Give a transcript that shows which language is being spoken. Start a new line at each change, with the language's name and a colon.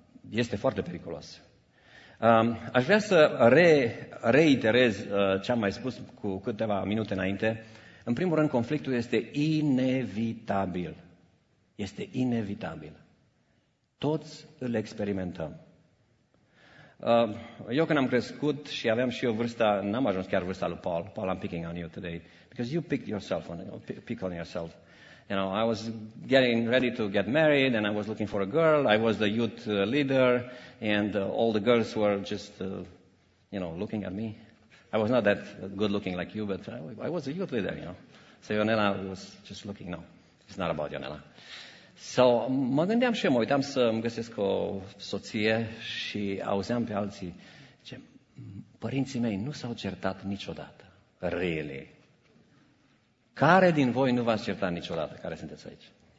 Romanian: Este foarte periculos. Aș vrea să reiterez ce am mai spus cu câteva minute înainte. În primul rând, conflictul este inevitabil. Este inevitabil. Toți îl experimentăm. Eu când am crescut și aveam și eu vârsta, n-am ajuns chiar vârsta lui Paul.
English: Paul, I'm picking on you today. Because you picked yourself on, pick on yourself. You know, I was getting ready to get married and I was looking for a girl. I was the youth leader and all the girls were just, you know, looking at me. I was not that good looking like you, but I was a youth leader, you know. So Ionela was just looking. No, it's not about Ionela.
Romanian: So, mă gândeam și eu, mă uitam să îmi găsesc o soție și auzeam pe alții, zice, părinții mei nu s-au certat niciodată.
English: Really?
Romanian: Care din voi nu v-ați certat niciodată? Care sunteți aici?